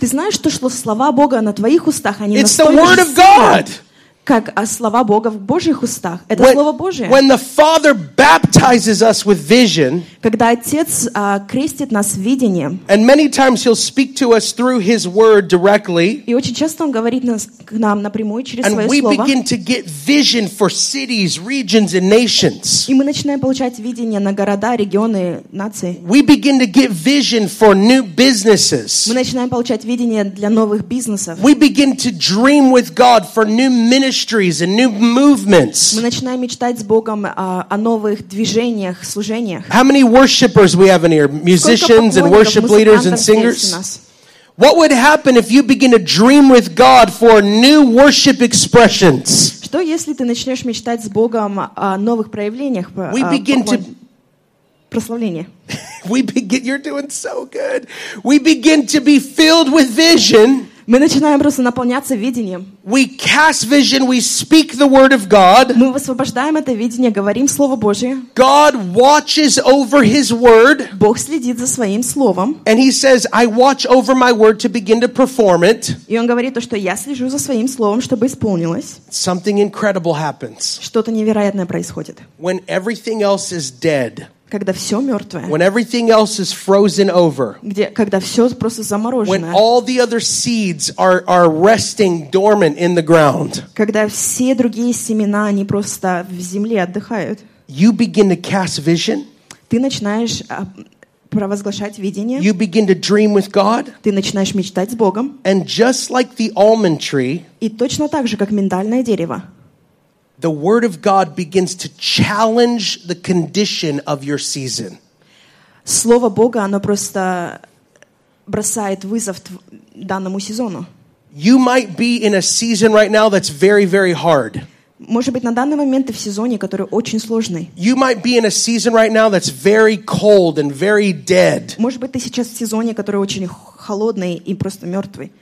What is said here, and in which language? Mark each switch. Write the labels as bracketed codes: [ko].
[ru] Ты знаешь, что слова Бога на твоих устах, они настолько сильны. [en] It's the word of God. [ru] Как слова Бога в Божьих устах. Это when, слово Божие. [en] When the Father baptizes us with vision, [ru] когда Отец крестит нас видением. [en] And many times he'll speak to us through his word directly. [ru] И очень часто он говорит к нам напрямую через свое слово. [en] And we begin to get vision for cities, regions and nations. [ru] И мы начинаем получать видение на города, регионы, нации. [en] We begin to get vision for new businesses. [ru] Мы начинаем получать видение для новых бизнесов. [en] We begin to dream with God for new ministries and new movements. [ru] Мы начинаем мечтать с Богом о новых движениях, служениях. [en] How many worshipers we have in here? Musicians and worship leaders and singers? What would happen if you begin to dream with God for new worship expressions? [ru] Что если ты начнешь мечтать с Богом о новых проявлениях? [en] We begin to [ru] прославление. [en] We begin, you're doing so good. We begin to be filled with vision. [ru] Мы начинаем просто наполняться видением. [en] We cast vision, we speak the word of God. [ru] Мы высвобождаем это видение, говорим слово Божие. [en] God watches over his word. [ru] Бог следит за своим словом. [en] And he says, I watch over my word to begin to perform it. [ru] И он говорит то, что я слежу за своим словом, чтобы исполнилось. [en] Something incredible happens. [ru] Что-то невероятное происходит. [en] When everything else is dead. [ru] Когда все мертвое. [en] When everything else is frozen over. [ru] Где, когда все просто заморожено. [en] When all the other seeds are resting dormant in the ground. [ru] Когда все другие семена, они просто в земле отдыхают. [en] You begin to cast vision. [ru] Ты начинаешь провозглашать видение. [en] You begin to dream with God. [ru] Ты начинаешь мечтать с Богом. [en] And just like the almond tree. [ru] И точно так же, как миндальное дерево. [en] The word of God begins to challenge the condition of your season. [ru] Слово Бога, оно просто бросает вызов данному сезону. [en] You might be in a season right now that's very, very hard. [ru] Может быть, на данный момент ты в сезоне, который очень сложный. [en] You might be in a season right now that's very cold and very dead. [ru] Может быть, ты сейчас в сезоне, который очень холодный и просто мертвый.